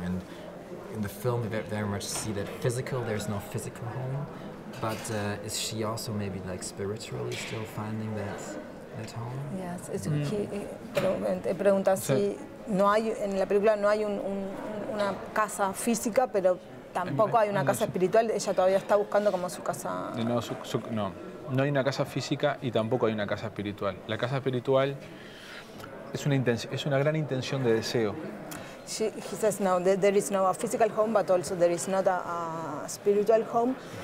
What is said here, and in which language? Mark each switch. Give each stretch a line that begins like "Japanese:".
English: And in the film, we very much see that there's no physical home, but is she also maybe like spiritually still finding that home? Yes,
Spanish: es que pregunta si no hay en la película no hay una casa física, pero tampoco hay una casa espiritual. Ella todavía está buscando como su casa. No hay una casa física y tampoco hay una casa espiritual. La casa espiritual es una gran intención de deseo.
English: He says no, there is no a physical home, but also there is not a spiritual home.